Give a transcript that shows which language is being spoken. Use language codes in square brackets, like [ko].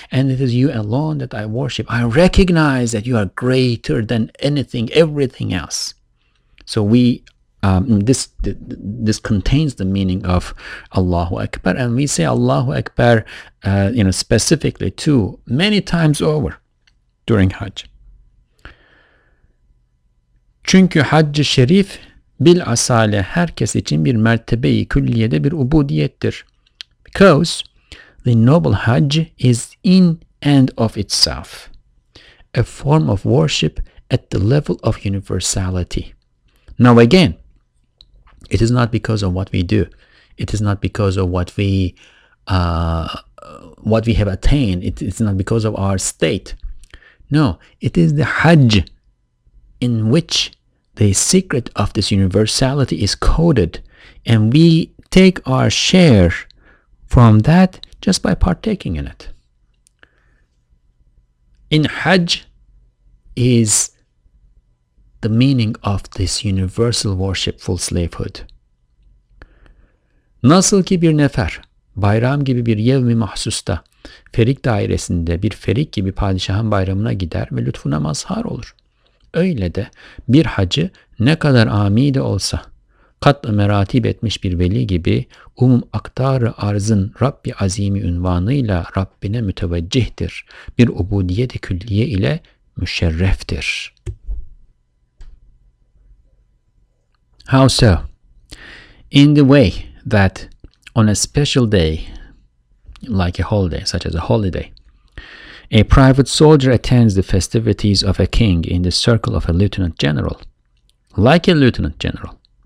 [en] And it is you alone that I worship. I recognize that you are greater than anything, everything else. So this contains the meaning of Allahu Akbar. And we say Allahu Akbar, you know, specifically too, many times over during Hajj. [tr] Çünkü Hacc-ı Şerif bil asale herkes için bir mertebe-i külliyede bir ubudiyettir. [en] Because the noble Hajj is in and of itself a form of worship at the level of universality. Now again, it is not because of what we do. It is not because of what we have attained. It's not because of our state. No, it is the Hajj in which the secret of this universality is coded, and we take our share from that just by partaking in it. In Hajj is the meaning of this universal worshipful slavehood. [tr] Nasıl ki bir nefer, bayram gibi bir yevmi mahsusta, ferik dairesinde bir ferik gibi padişahın bayramına gider ve lütfuna mazhar olur. Öyle de bir hacı ne kadar âmi de olsa, katlı meratip etmiş bir veli gibi umum aktar-ı arzın Rabbi azimi ünvanıyla Rabbine müteveccihtir. Bir ubudiyet-i külliye ile müşerreftir. [en] How so? In the way that on a special day, like a holiday, such as a holiday, a private soldier attends the festivities of a king in the circle of a lieutenant general, like a lieutenant general.